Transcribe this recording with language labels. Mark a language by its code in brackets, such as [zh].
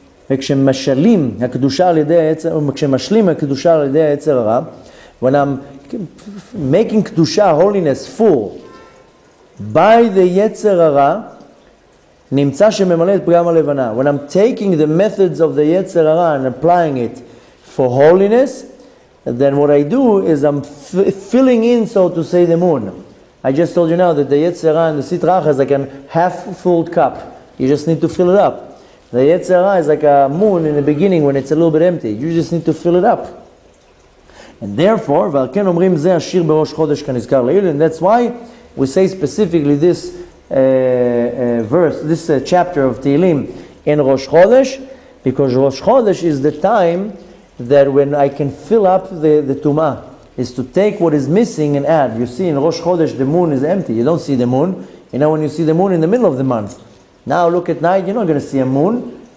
[he] וכשמשלים הקדושה על ידי היצר, וכשמשלים הקדושה על ידי היצר הרע, [en] when I'm making קדושה, holiness, full, by the יצר הרע, [he] נמצא שממלא את פגם הלבנה. [en] When I'm taking the methods of the יצר הרע and applying it for holiness, then what I do is I'm filling in, so to say, the moon. I just told you now that the יצר הרע and the סטרח is like a half-full cup. You just need to fill it up. The Yetzer Hara is like a moon in the beginning when it's a little bit empty. You just need to fill it up. And therefore, [he] ועל כן אומרים זה השיר בראש חודש כנזכר לעיל. [en] And that's why we say specifically this verse, this chapter of Tehillim in Rosh Chodesh, because Rosh Chodesh is the time that when I can fill up the Tumah, is to take what is missing and add. You see, in Rosh Chodesh, the moon is empty. You don't see the moon. You know, when you see the moon in the middle of the month, now look at night, you're not going to see a moon.